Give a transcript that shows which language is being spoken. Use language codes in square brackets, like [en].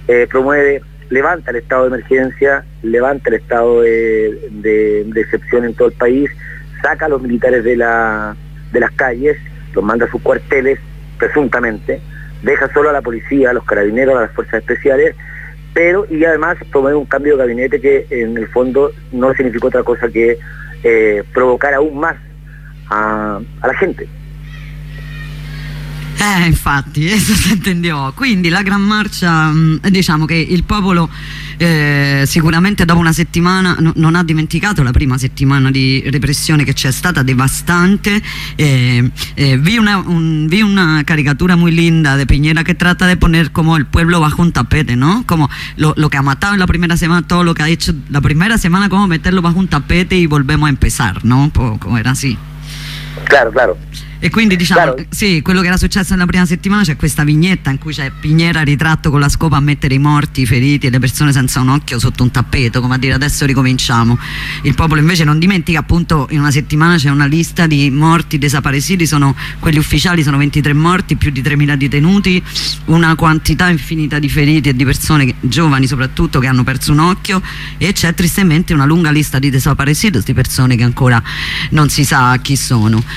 [es] Promueve, levanta el estado de emergencia, levanta el estado de excepción en todo el país, saca a los militares de las calles, los manda a sus cuarteles, presuntamente, deja solo a la policía, a los carabineros, a las fuerzas especiales, pero y además promueve un cambio de gabinete que en el fondo no significó otra cosa que provocar aún más a la gente. Infatti, eso se entendió. [it] Quindi la gran marcia, diciamo che il popolo sicuramente dopo una settimana non ha dimenticato la prima settimana di repressione che c'è stata, devastante. [es] Vi una caricatura muy linda de Piñera que trata de poner como el pueblo bajo un tapete, ¿no? Como lo que ha matado en la primera semana, todo lo que ha hecho la primera semana, como meterlo bajo un tapete y volvemos a empezar, ¿no? Poco, era así. Claro, claro. [it] E quindi diciamo, claro. Sì, quello che era successo nella prima settimana, c'è questa vignetta in cui c'è Piñera ritratto con la scopa a mettere i morti, i feriti e le persone senza un occhio sotto un tappeto, come a dire adesso ricominciamo. Il popolo invece non dimentica, appunto, in una settimana c'è una lista di morti desapareciti, sono quelli ufficiali, sono 23 morti, più di 3.000 detenuti, una quantità infinita di feriti e di persone giovani soprattutto che hanno perso un occhio, e c'è tristemente una lunga lista di desapareciti, di persone che ancora non si sa chi sono.